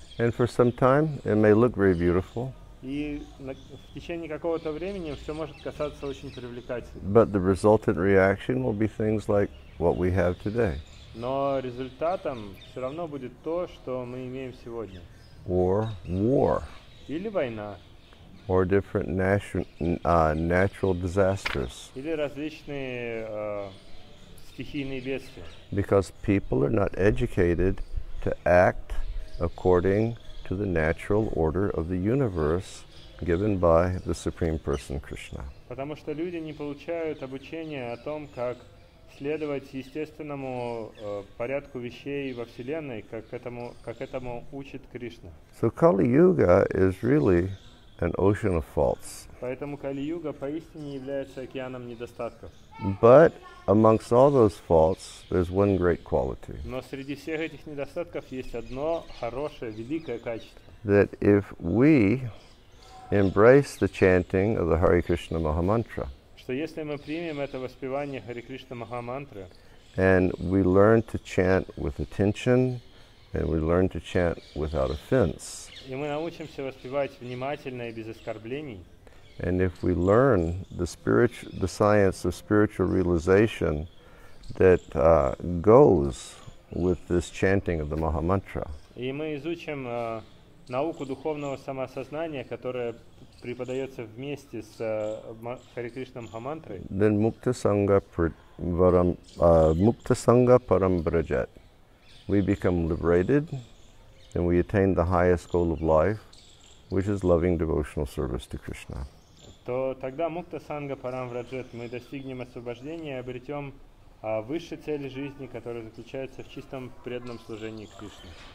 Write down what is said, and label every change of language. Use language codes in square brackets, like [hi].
[en] And for some time it may look very beautiful. [ru] И в течение какого-то времени все может казаться очень привлекательным. [en] But the resultant reaction will be things like what we have today. [ru] Но результатом все равно будет то, что мы имеем сегодня. [en] Or war. [ru] Или война. [en] Or different natural disasters. [ru] Или различные стихийные бедствия. [en] Because people are not educated to act according to the natural order of the universe given by the Supreme Person Krishna. [ru] Потому что люди не получают обучения о том, как следовать естественному порядку вещей во Вселенной, как этому учит Кришна. [en] So Kali-Yuga is really an ocean of faults. [ru] Поэтому Кали-Юга поистине является океаном недостатков. [en] But amongst all those faults, there's one great quality. [ru] Но среди всех этих недостатков есть одно хорошее, великое качество. [en] That if we embrace the chanting of the Hare Krishna Maha Mantra, [ru] что если мы примем это воспевание Hare Krishna Maha Mantra, [en] and we learn to chant with attention, and we learn to chant without offense, [ru] и мы научимся воспевать внимательно и без оскорблений, [en] and if we learn the science of spiritual realization that goes with this chanting of the Maha Mantra, [ru] и мы изучим науку духовного самоосознания, которая преподается вместе с Харе Кришна Маха Мантрой, [sa] then Mukta Sangha Param Brajat. [en] We become liberated and we attain the highest goal of life, which is loving devotional service to Krishna. [ru] То тогда [sa] Мукта Санга Парам Враджат, [ru] мы достигнем освобождения и обретем высшей цели жизни, которая заключается в чистом преданном служении Кришне.